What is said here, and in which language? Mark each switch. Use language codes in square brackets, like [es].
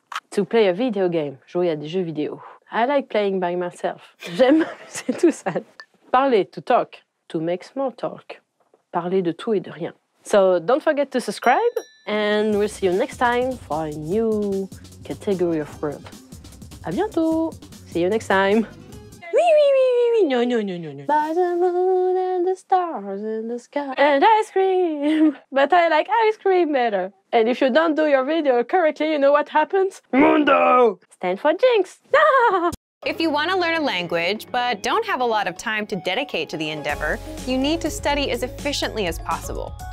[en] To play a video game. [fr] Jouer à des jeux vidéo. [en] I like playing by myself. [fr] J'aime c'est tout ça. [en] Parler, to talk. To make small talk. [fr] Parler de tout et de rien. [en] So don't forget to subscribe and we'll see you next time for a new category of word. [fr] À bientôt! [en] See you next time! [fr] Oui, oui, oui, oui, oui, [en] no, no, no, no, no. By the moon and the stars in the sky. And ice cream. But I like ice cream better. And if you don't do your video correctly, you know what happens? Mundo! Stand for Jinx. If you want to learn a language, but don't have a lot of time to dedicate to the endeavor, you need to study as efficiently as possible.